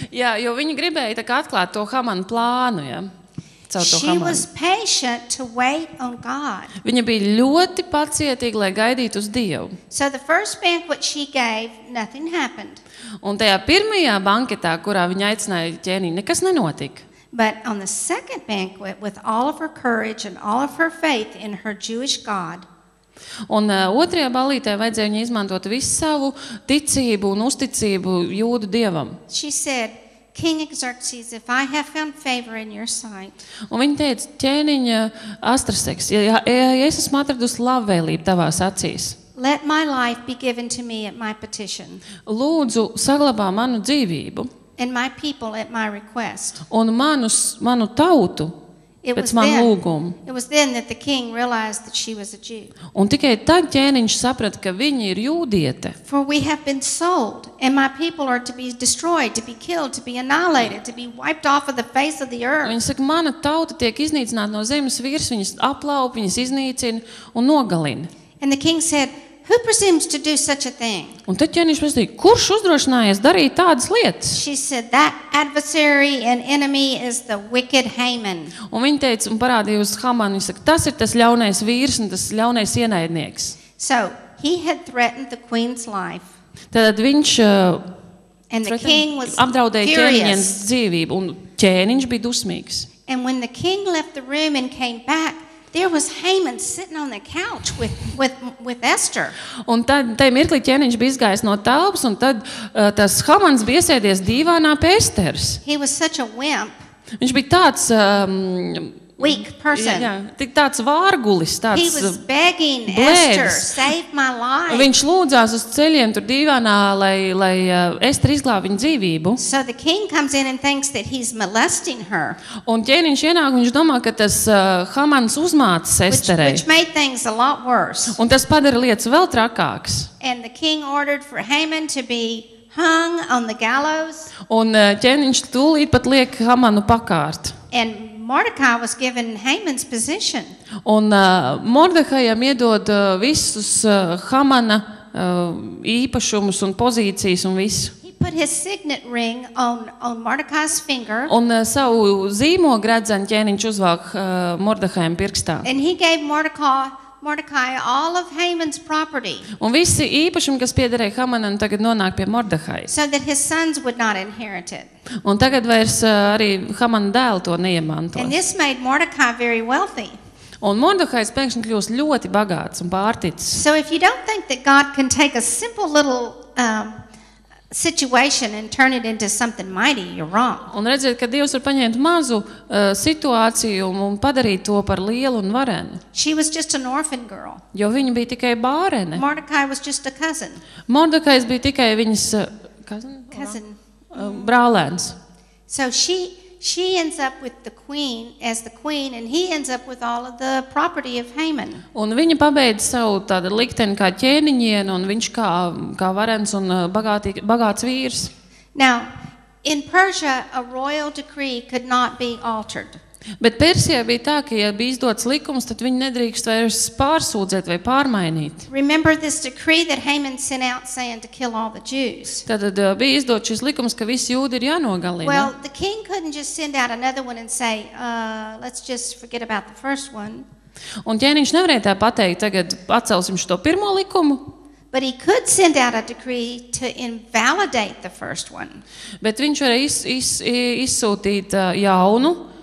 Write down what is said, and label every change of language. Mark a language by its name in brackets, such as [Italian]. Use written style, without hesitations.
[Latvian] Yeah, jo viņa gribēja tā kā atklāt to Hamana plānu, ja. [English] She was patient to wait on God. [Latvian] Viņa bija ļoti pacietīga, lai gaidītu uz Dievu. [English] So the first banquet she gave, nothing happened. [Latvian] Un tajā pirmajā banketā, kurā viņa aicināja ķēniņu, nekas nenotika. [English] But on the second banquet, with all of her courage and all of her faith in her Jewish God, [Latvian] un otrajā balītē vajadzēja viņai izmantot visu savu ticību un uzticību jūdu dievam. [English] She said, King Xerxes, if I have found favor in your sight. [Latvian] Un viņa teica, ķēniņa Astraseks, ja es esmu atradusi labvēlību tavās acīs. [English] Let my life be given to me at my petition. [Latvian] Lūdzu, saglabā manu dzīvību. [English] And my people at my request. [Latvian] Un manu tautu pēc manu lūgumu. [English] It was then that the king realized that she was a Jew. [Latvian] Un tikai tad ķēniņš saprata, ka viņa ir jūdiete. [English] For we have been sold, and my people are to be destroyed, to be killed, to be annihilated, to be wiped off of the face of the earth. [Latvian] Viņa saka, mana tauta tiek iznīcināta no zemes virs, viņas aplaup, viņas iznīcina un nogalina. [English] And the king said, who presumes to do such a thing? [Latvian] Un tad ķēniņš prasīja, kurš uzdrošinājies darīt tādas lietas? [English] She said, that adversary and enemy is the wicked Haman. [Latvian] Un viņa teica, un parādīja uz Hamanu, viņa saka, tas ir tas ļaunais vīrs un tas ļaunais ienaidnieks. [English] So, he had threatened the queen's life. [Latvian] Tad viņš apdraudēja ķēniņa dzīvību, un ķēniņš bija dusmīgs. [English] And when the king left the room and came back, there was Haman sitting on the couch with Esther. [Latvian] Un tad tai mirkli ķēniņš bija izgājis no telpas, un tad tas Hamans bija iesēdies dīvānā pie Esteras. [English] He was such a wimp. [Latvian] Viņš bija tāds [English] weak person. [Latvian] Jā, tik tāds vārgulis, tāds. [English] He was begging Esther, save my life. [Latvian] Viņš lūdzās uz ceļiem tur dīvānā, lai Estera izglābj viņa dzīvību. [English] So the king comes in and thinks that he's molesting her. [Latvian] Un ķēniņš ienāk, viņš domā, ka tas Hamans uzmācis Esterei. [English] Which made things a lot worse. [Latvian] Un tas padara lietas vēl trakākas. [English] And the king ordered for Haman to be hung on the gallows. [Latvian] Un ķēniņš tūlīt pat liek Hamanu pakārt. [English] And Mordecai was given Haman's position. [Latvian] Un Mordehajam iedod visus Hamana īpašumus un pozīcijas un visu. [English] He put his signet ring on Mordecai's finger. [Latvian] Un savu zīmogredzenu ķēniņš uzvāk Mordehajam pirkstā. [English] And he gave Mordecai all of Haman's property. [Latvian] Un visi īpašumi, kas piederēja Hamanam, tagad nonāk pie Mordehaja. [English] So that his sons would not inherit it. [Latvian] Un tagad vairs arī Hamana dēli to neiemantos. [English] And this made Mordecai very wealthy. [Latvian] Un Mordehajs pēkšņi kļūst ļoti bagāts un pārticis. [English] So if you don't think that God can take a simple little situation and turn it into something mighty, you're wrong. [Latvian] Un redziet, ka Dievs var paņemt mazu situāciju un padarīt to par lielu un varenu. [English] She was just an orphan girl. [Latvian] Jo viņa bija tikai bārene. [English] Mordecai was just a cousin. [Latvian] Mordecais bija tikai viņas [English] cousin. [Latvian] Brālēns. [English] So she ends up with the queen as the queen and he ends up with all of the property of Haman. [Latvian] Un viņa pabeidz savu tādu likteni kā ķēniņiena un viņš kā varens un bagāts vīrs. [English] Now, in Persia a royal decree could not be altered. [Latvian] Bet Persijā bija tā, ka ja bija izdots likums, tad viņi nedrīkst vairs pārsūdzēt vai pārmainīt. [English] Remember this decree that Haman sent out saying to kill all the Jews. [Latvian] Tad bija izdots šis likums, ka visi jūdi ir jānogalina. [English] Well, the king couldn't just send out another one and say, let's just forget about the first one. [Latvian] Un ķēniņš nevarēja tā pateikt, tagad atcelsim šo pirmo likumu. [English] But he could send out a decree to invalidate the first one. [Latvian] Bet viņš varēja izsūtīt jaunu.